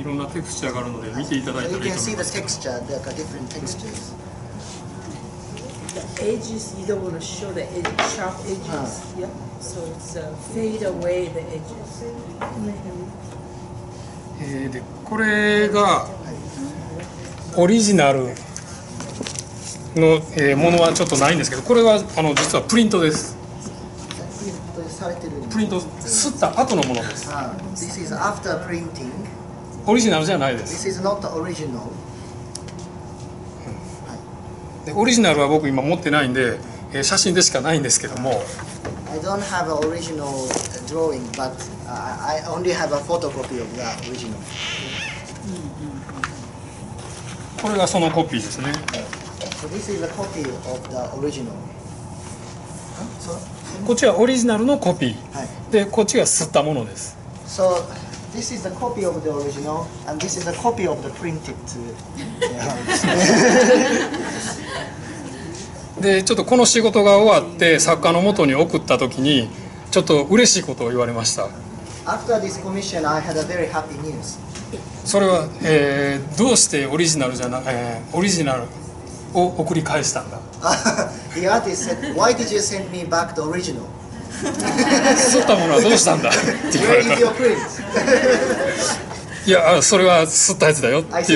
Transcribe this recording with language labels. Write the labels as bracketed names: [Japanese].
[Japanese] いろんなテクスチャーがあるので見ていただいたらいいと思います。 [English] You can see the texture. There are different textures. The edges, you don't want to show the edge, sharp edges. So it's a fade away the edges. [Japanese] でこれがオリジナルの、ものはちょっとないんですけど、これはあの実はプリントです。プリントされてる、プリント吸った後のものです。 [English] This is after printing. [Japanese] オリジナルじゃないです。 [English] This is not the original. [Japanese] でオリジナルは僕今持ってないんで、写真でしかないんですけども、 [English] I don't have an original drawing, but I only have a photocopy of the original. [Japanese] これがそのコピーですね。 [English] So this is a copy of the original. [Japanese] こっちはオリジナルのコピー。で、こっちが刷ったものです。 [English] So this is a copy of the original, and this is a copy of the printed. [Japanese] でちょっとこの仕事が終わって作家の元に送った時にちょっと嬉しいことを言われました。 [English] After this commission, I had a very happy news. [Japanese] それは、どうしてオリジナルじゃな、オリジナルを送り返したんだ。 [English] The artist said, Why did you send me back the original? [Japanese] 刷ったものはどうしたんだって言われた。 [English] Where is your print? [Japanese] いや、それは刷ったやつだよって言って。